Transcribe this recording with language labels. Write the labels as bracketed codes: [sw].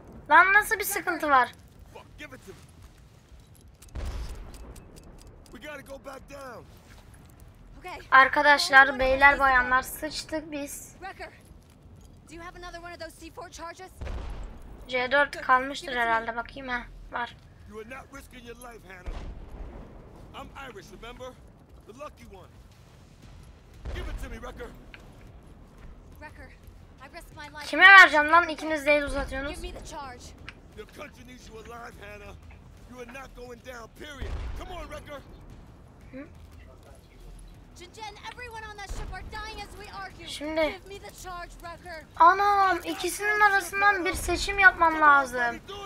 [tr] Lan nasıl bir sıkıntı var? [en] We gotta go back down. Okay. [tr] Arkadaşlar, beyler, bayanlar, sıçtık biz. [en] Wrecker, do you have another one of those C4 charges? [tr] C4 kalmıştır herhalde. Bakayım ha, var. [en] You are not risking your life, Hannah. I'm Irish, remember? The lucky one. Give it to me, Wrecker. Wrecker, I risk my life. [tr] Kime vereceğim lan? İkiniz de el uzatıyorsunuz. [en] Give me the charge. Your country needs you alive, Hannah. You are not going down, period. Come on, Wrecker. Jin, everyone on that ship are dying as we argue. [tr] Şimdi. [en] Give me the charge, Wrecker. [tr] Anam, ikisinin arasından bir seçim yapmam lazım.